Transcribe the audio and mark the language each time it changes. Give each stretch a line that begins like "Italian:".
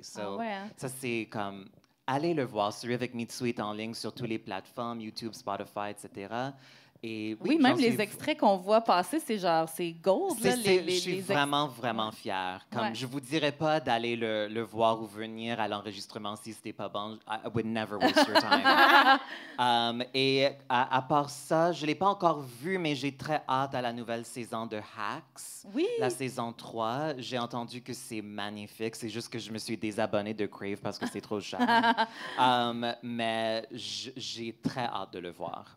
French: Ça, c'est comme... Allez le voir, celui avec Mitsui est en ligne sur toutes les plateformes, YouTube, Spotify, etc. Et oui même les extraits qu'on voit passer, c'est genre, c'est gold. Je suis vraiment fière. Je ne vous dirais pas d'aller le voir ou venir à l'enregistrement si ce n'était pas bon.
English: I would never waste your time.
French: et à part ça, je ne l'ai pas encore vu, mais j'ai très hâte à la nouvelle saison de Hacks. Oui. La saison 3, j'ai entendu que c'est magnifique. C'est juste que je me suis désabonnée de Crave parce que c'est trop cher. mais j'ai très hâte de le voir.